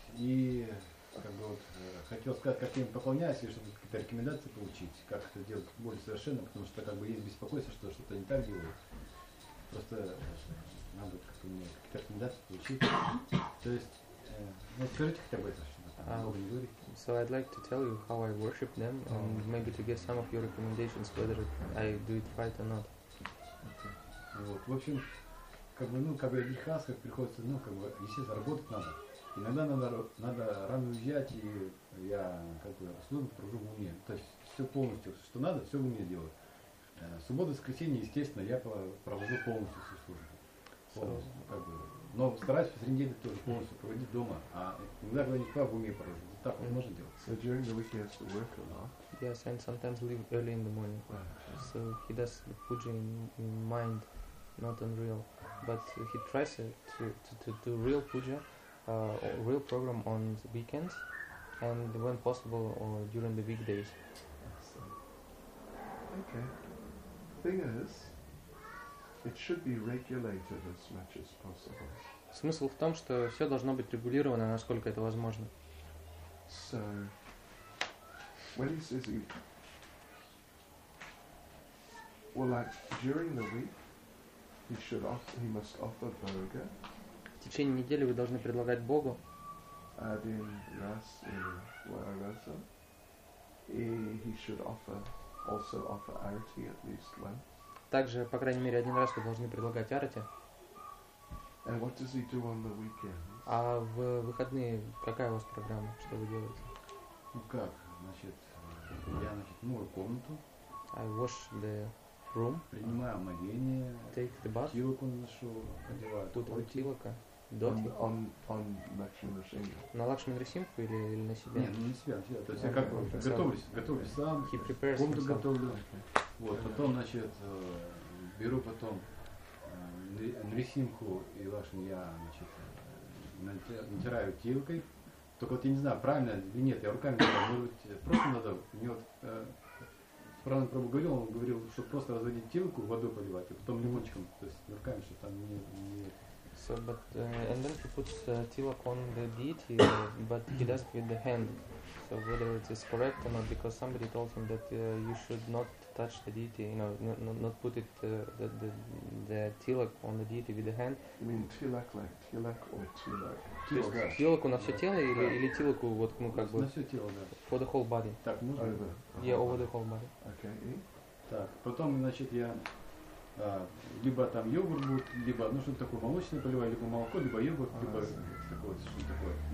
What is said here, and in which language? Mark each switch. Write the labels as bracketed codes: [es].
[ru] И как бы вот хотел сказать, как я им поклоняюсь, или чтобы какие-то рекомендации получить, как это делать более совершенно, потому что как бы есть беспокойство, что что-то не так делают. Просто надо как-то мне какие-то рекомендации получить. То есть, скажите хотя бы это что-то. [en] So I'd like to tell you how I worship them, and maybe to get some of your recommendations whether I do it right or not. [ru] Вот, в общем, как бы, ну, как бы лихас, как приходится, ну, как бы, если заработать надо. Иногда надо рано уезжать, и я как бы служу, прожу в уме. То есть все полностью, что надо, все в уме делаю. Суббота, воскресенье, естественно, я провожу полностью всю службу. Но стараюсь посреди недели тоже полностью проводить дома, а иногда когда не спал, в уме провожу. Вот так вот можно делать. [en] So during the week he has to work a lot. Yes, and sometimes leave early in the morning. So he does puja in mind, not in real. But he tries to do real puja, real program on the weekends, and when possible or during the weekdays. Okay. Thing is, it should be regulated as much as possible. [ru] Смысл в том, что все должно быть регулировано, насколько это возможно. [en] So, when he says he, well, like during the week, he should offer, he must offer boga. [ru] В течение недели вы должны предлагать Богу. Один раз или два раза. И [en] he should offer, also offer arati at least once. [ru] Также, по крайней мере, один раз вы должны предлагать арати. [en] And what does he do on the weekends? [ru] А в выходные какая у вас программа? Что вы делаете? Ну как, значит, я, значит, мою комнату. [en] I wash the room. [ru] Принимаю омовение. [en] Take the bath. [ru] Тилоку наношу, одеваю. [en] Put on тилока. On Lakshmi Narasimha. [ru] На Лакшми Нарасимху или на себя? Не, ну не себя, себя. То есть я как бы готовлюсь сам. [en] He prepares [ru] комнату [en] himself. [ru] Готовлю. Вот, потом, значит, беру потом Нарасимху и Лакшми, я, значит, натираю тилкой. Только вот я не знаю, правильно или нет, я руками говорю, может быть, просто надо, мне вот Прана Прабху говорил, он говорил, что просто разводить тилку, воду поливать, и потом лимончиком, то есть руками, что там не... [en] So, but, and then he puts tilak on the deity, but he does it with the hand. So whether it is correct or not, because somebody told him that you should not touch the deity, you know, not put it the tilak on the deity with the hand. You mean tilak like tilak or tilak? [ru] Тилаку на все тело или тилаку вот, ну, как бы? На все тело, да. [en] For the whole body. [ru] Так, можно? [en] Yeah, over the whole body. Okay. [ru] Так, потом, значит, я либо там йогурт будет, либо, ну, что-то такое молочное поливаю, либо молоко, либо йогурт, либо такое, что-то такое.